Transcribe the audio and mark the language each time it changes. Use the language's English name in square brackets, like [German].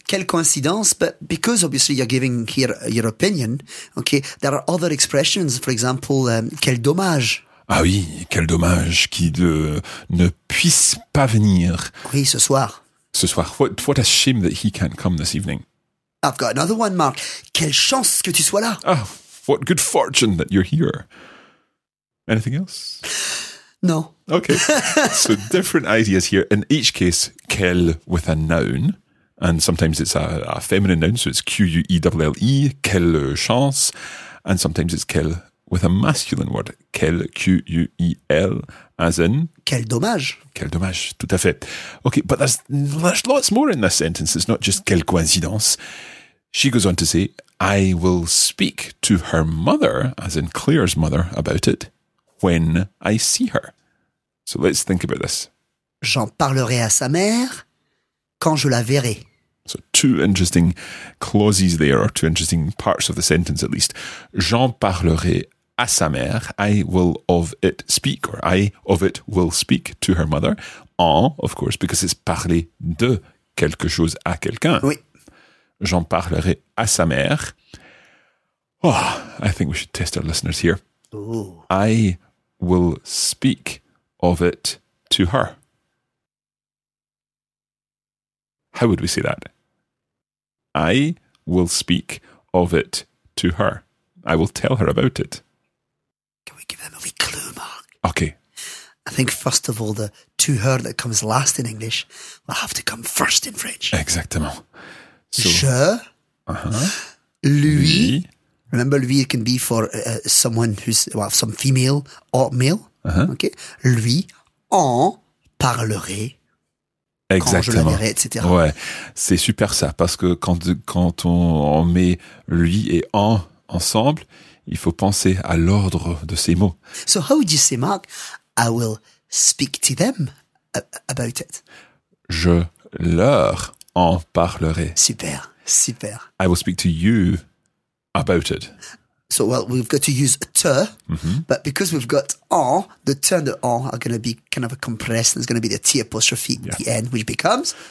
[French] quelle coïncidence, [English] but because obviously you're giving here your opinion, okay, there are other expressions, for example, [French] quel dommage. Ah oui, quel dommage qu'il ne puisse pas venir. Oui, ce soir. Ce soir. [English] What a shame that he can't come this evening. I've got another one, Marc. [French] Quelle chance que tu sois là. [English] Oh, what good fortune that you're here. Anything else? No. Okay. So different ideas here. In each case, quel with a noun. And sometimes it's a feminine noun, so it's Q-U-E-L-L-E, quelle chance. And sometimes it's quel with a masculine word, quel, Q-U-E-L, as in... [French] Quel dommage. Quel dommage, tout à fait. [English] Okay, but there's lots more in this sentence. It's not just quelle coïncidence. She goes on to say, I will speak to her mother, as in Claire's mother, about it, when I see her. So let's think about this. [French] J'en parlerai à sa mère quand je la verrai. [English] So two interesting clauses there, or two interesting parts of the sentence at least. [French] J'en parlerai à sa mère. [English] I will of it speak, or I of it will speak to her mother. [French] En, [English] of course, because it's [French] parler de quelque chose à quelqu'un. Oui. J'en parlerai à sa mère. [English] Oh, I think we should test our listeners here. Ooh. I will speak of it to her. How would we say that? I will speak of it to her. I will tell her about it. Can we give them a wee clue, Mark? Okay. I think, first of all, the to her that comes last in English will have to come first in French. [French] Exactement. [English] So, je. Uh-huh. [French] Lui. [English] Remember, lui can be for someone who's, well, some female or male. Uh-huh. [French] Okay. Lui en parlerait. Exactement. Quand je la verrai, etc. Ouais, c'est super ça, parce que quand on met lui et en ensemble, il faut penser à l'ordre de ces mots. [English] So how would you say, Mark, I will speak to them about it? [French] Je leur en parlerai. Super, super. [English] I will speak to you about it. So, well, we've got to use te, mm-hmm. but because we've got en, the te and the en are going to be kind of a compressed, and there's going to be the t apostrophe at the end, which becomes...